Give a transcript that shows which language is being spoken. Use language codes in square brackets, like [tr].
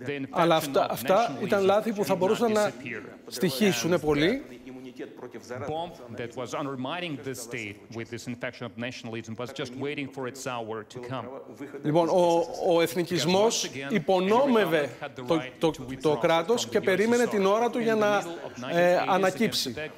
[el] Αλλά αυτά ήταν λάθη που θα μπορούσαν να στοιχήσουν πολύ. [en] Bomb that was undermining the state with this infection of nationalism was just waiting for its hour to come. [el] Λοιπόν, ο εθνικισμός υπονόμευε το κράτος και περίμενε την ώρα του για να ανακύψει.